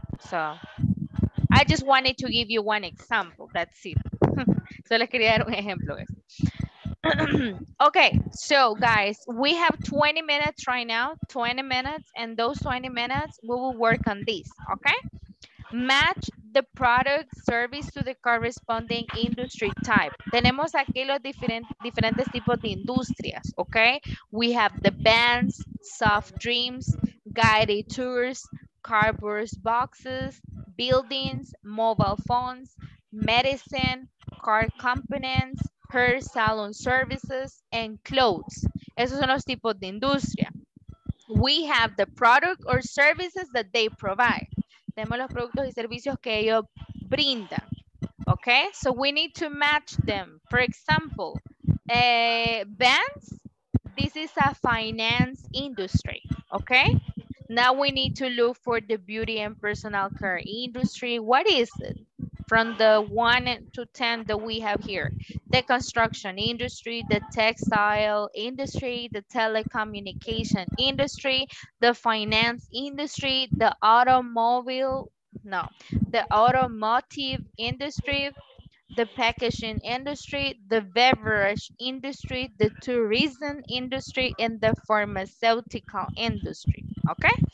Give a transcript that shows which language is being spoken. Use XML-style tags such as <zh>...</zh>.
<en>So, I just wanted to give you one example. That's it. So,</en> <es>les quería dar un ejemplo.</es> <en>Okay, so guys, we have 20 minutes right now, 20 minutes, and those 20 minutes, we will work on this, okay? Match the product service to the corresponding industry type.</en> <es>Tenemos aquí los diferentes tipos de industrias, okay?</es> <en>We have the bands, soft drinks, guided tours, cardboard boxes, buildings, mobile phones, medicine, car components, hair salon services, and clothes.</en> <es>Esos son los tipos de industria.</es> <en>We have the product or services that they provide.</en> <es>Tenemos los productos y servicios que ellos brindan.</es> <en>Okay, so we need to match them. For example, vans, this is a finance industry, okay? Now we need to look for the beauty and personal care industry. What is it? From the 1 to 10 that we have here, the construction industry, the textile industry, the telecommunication industry, the finance industry, the automobile, no, the automotive industry, the packaging industry, the beverage industry, the tourism industry, and the pharmaceutical industry, okay?</en>